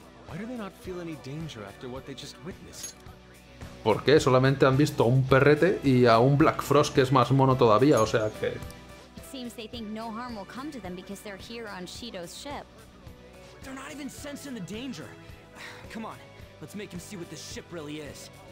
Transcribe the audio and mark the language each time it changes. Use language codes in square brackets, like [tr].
[en] Why do they not feel any danger after what they just witnessed? [es] ¿Por qué? Solamente han visto a un perrete y a un Black Frost que es más mono todavía, o sea que. [en] It seems they think no harm will come to them because they're here on Shido's ship. They're not even sensing the danger. Come on, let's make him see what this ship really is.